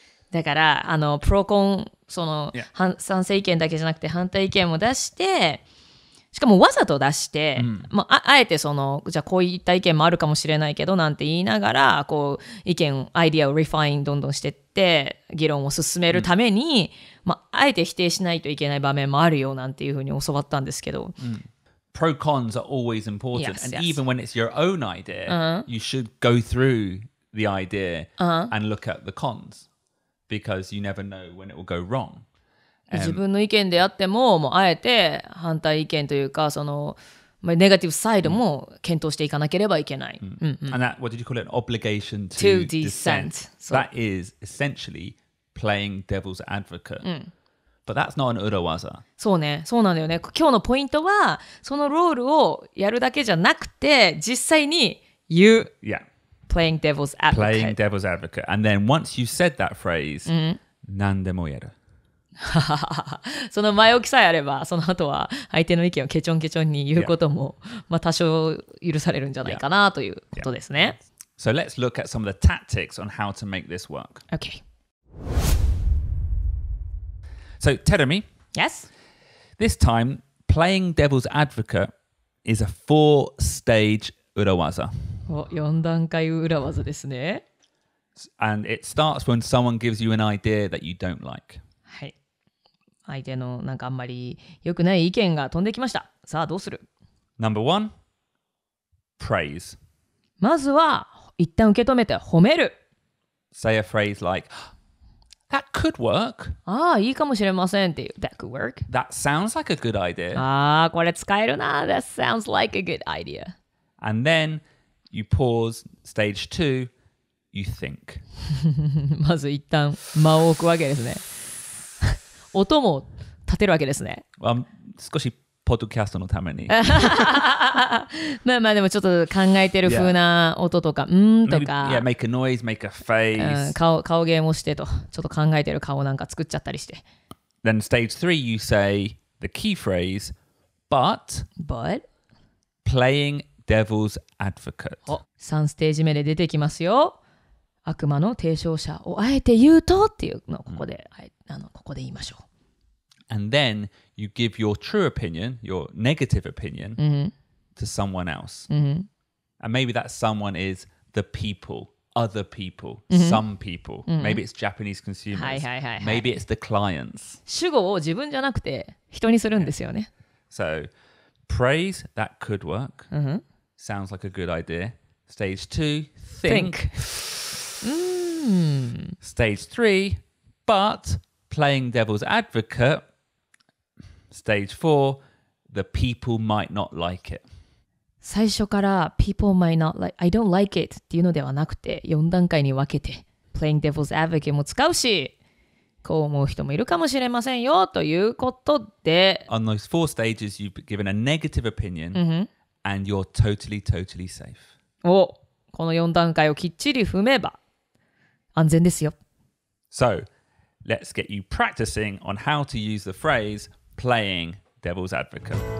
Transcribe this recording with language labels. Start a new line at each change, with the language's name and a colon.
Japanese: だからあのプロコンその、賛成意見だけじゃなくて反対意見も出してしかもわざと出して、まあ、あえてそのじゃあこういった意見もあるかもしれないけどなんて言いながらこう意見アイディアをリファインどんどんしてって議論を進めるために、まあ、あえて否定しないといけない場面もあるよなんていうふうに教わったんですけど、
English: Pro cons are always important yes, yes. and even when it's your own idea you should go through the idea and look at the consBecause you never know when it will go wrong.
Japanese: 自分の意見であっても、もうあえて反対意見というか、その、まあ、ネガティブサイドも検討していかなければいけない。
English: And that, what did you call it? An obligation to dissent. That is essentially playing devil's advocate. But that's not an 裏技.
Japanese: そうね、そうなんだよね。今日のポイントは、そのロールをやるだけじゃなくて、実際に言う。
English: Yeah. Playing devil's advocate. Playing devil's advocate. And then once you said that phrase,
Japanese: 何でもやる。その前置きさえあれば、その後は相手の意見をケチョンケチョンに言うことも、まあ多少許されるんじゃないかなということですね。
English: So let's look at some of the tactics on how to make this work. Okay. So, Terumi. Yes? This time, playing devil's advocate is a four-stage 裏技。
Japanese: 四段階裏技ですね。
English: And it starts when someone gives you an idea that you don't like.
Japanese: はい。相手のなんかあんまり良くない意見が飛んできました。さあどうする？
English: Number one, praise.
Japanese: まずは一旦受け止めて褒める。
English: Say a phrase like, that could work.
Japanese: ああ、いいかもしれませんっていう。
English: That could work. That sounds like a good idea.
Japanese: ああ、これ使えるな。
English: That sounds like a good idea. And then you pause, stage two, you think.
Japanese: まず一旦間を置くわけですね。音も立てるわけですね。 Well, 少しポッドキャストのために。まあまあでもちょっと考えてる風な音とか、yeah. うーんとか。
English: Maybe, yeah, make a noise, make a face.
Japanese: 顔ゲームをしてと、ちょっと考えてる顔なんか作っちゃったりして。
English: Then stage three, you say the key phrase, but playing devil's advocate.
Japanese: お、3ステージ目で出てきますよ。悪魔の提唱者をあえて言うとっていうのをここで、ここで言いましょう。
English: And then you give your true opinion, your negative opinion,、mm-hmm. to someone else.、 Mm-hmm. And maybe that someone is the people, other people,、mm-hmm. some people.、Mm-hmm. Maybe it's Japanese consumers.
Japanese: はいはいはい、はい、
English: maybe it's the clients.
Japanese: 主語を自分じゃなくて人にするんですよね。
English: Yeah. So praise, that could work.、Mm-hmm. Sounds like a good idea. Stage two, think. Stage three, but playing devil's advocate. Stage 4, the people might not like it.
Japanese: 最初から
English: people might not like, I don't like it
Japanese: っていうのではなくて、4段階に分けて、playing devil's advocate も使うし、こう思う人もいるかもしれませんよということで。
English: On those four stages, you've given a negative opinion、mm-hmm. and you're totally, totally safe.
Japanese: お、この4段階をきっちり踏めば安全ですよ。
English: So, let's get you practicing on how to use the phrase,Playing devil's advocate.